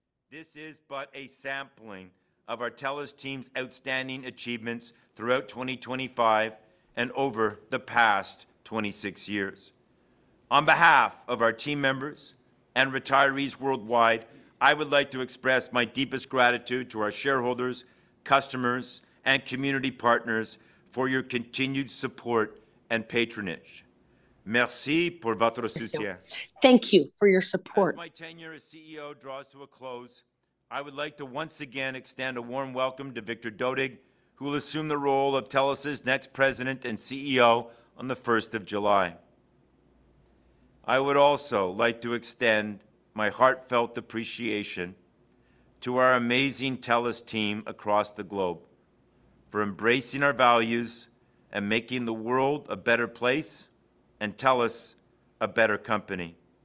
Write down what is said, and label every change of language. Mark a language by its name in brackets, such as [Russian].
[English] This is but a sampling of our TELUS team's outstanding achievements throughout 2025 and over the past 26 years. On behalf of our team members and retirees worldwide, I would like to express my deepest gratitude to our shareholders, customers, and community partners for your continued support and patronage. [French] Merci pour votre soutien. [English] Thank you for your support. As my tenure as CEO draws to a close, I would like to once again extend a warm welcome to Victor Dodig, who will assume the role of TELUS's next president and CEO on the 1st of July. I would also like to extend my heartfelt appreciation to our amazing TELUS team across the globe for embracing our values and making the world a better place and TELUS a better company.